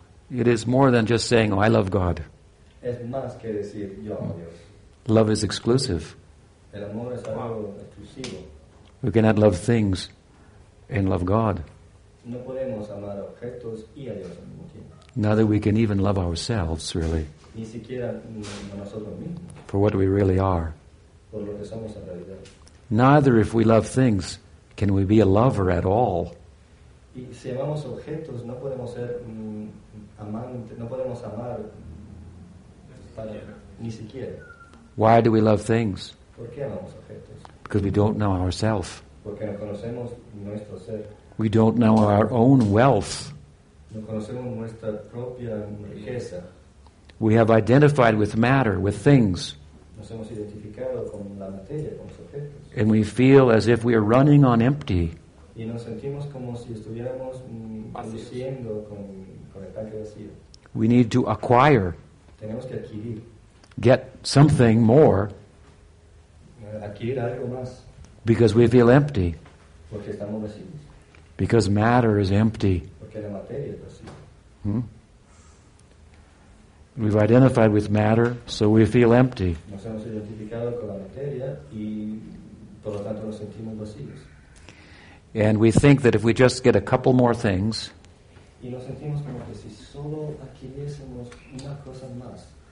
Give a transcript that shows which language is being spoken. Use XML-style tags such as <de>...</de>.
<en>it is more than just saying, oh, I love God.</en> <es>Es más que decir, yo amo a Dios.</es> <en>Love is exclusive.</en> <es>El amor es algo exclusivo.</es> <en>We cannot love things and love God.</en> <es>No podemos amar objetos y a Dios al mismo tiempo.</es> <en>Neither we can even love ourselves, really.</en> <es>Ni siquiera a nosotros mismos.</es> <en>For what we really are.</en> <es>Por lo que somos en realidad.</es> <en>Neither if we love things can we be a lover at all.</en> <es>Y si amamos objetos no podemos ser amantes, no podemos amar ni siquiera.</es> <en>Why do we love things?</en> <es>¿Por qué amamos objetos?</es> <en>Because we don't know ourselves.</en> <es>Porque no conocemos nuestro ser.</es> <en>We don't know our own wealth.</en> <es>No conocemos nuestra propia riqueza.</es> <en>We have identified with matter, with things.</en> <es>Nos hemos identificado con la materia, con los objetos.</es> <en>And we feel as if we are running on empty.</en> <es>Y nos sentimos como si estuviéramos produciendo con el tanque vacío.</es> <en>We need to acquire.</en> <es>Tenemos que adquirir.</es> <en>Get something more.</en> <es>Adquirir algo más.</es> <en>Because we feel empty.</en> <es>Porque estamos vacíos.</es> <en>Because matter is empty.</en> <es>Porque la materia es vacía.</es> <en>We've identified with matter, so we feel empty.</en> <es>Nos hemos identificado con la materia y por lo tanto nos sentimos vacíos.</es> <en>And we think that if we just get a couple more things,</en> <es>y nos sentimos como que si solo adquiriésemos una cosa más,</es>